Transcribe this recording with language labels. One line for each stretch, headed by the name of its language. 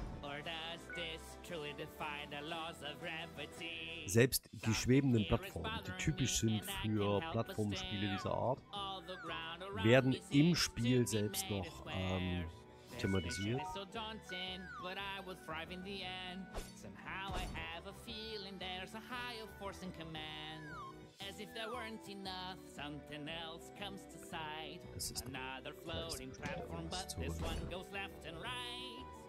English: Or does this truly defy the laws of gravity?
German: Selbst die schwebenden Plattformen, die typisch sind für Plattformspiele dieser Art, werden im Spiel selbst noch thematisiert.
English: So daunting, but I will thrive in the end. Somehow I have a feeling there's a higher force in command. As if there weren't enough, something else comes to sight. Another floating platform, but this one goes left and right.